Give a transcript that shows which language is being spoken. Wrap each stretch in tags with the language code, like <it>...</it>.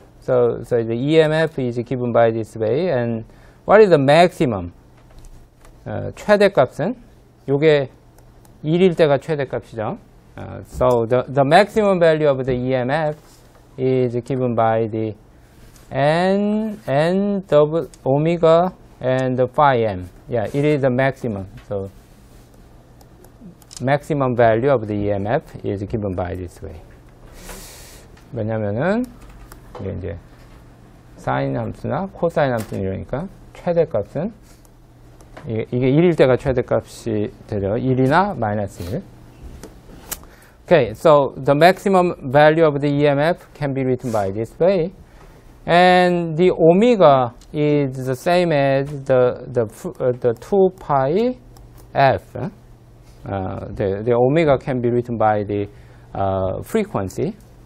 <en>So the EMF is given by this way. And what is the maximum?</en> <ko>최대값은 요게 1일 때가 최대값이죠.</ko> <en>So the maximum value of the EMF is given by the n double omega and the phi m. Yeah, it is the maximum. So maximum value of the EMF is given by this way.</en> <ko>왜냐면은 이게 이제 사인 함수나 코사인 함수 이러니까 최대값은 이게 1일 때가 최대값이 되죠. 1이나 마이너스 1.</ko> <en>Okay, so the maximum value of the EMF can be written by this way. And the omega is the same as the 2 pi f. The omega can be written by the frequency.</en>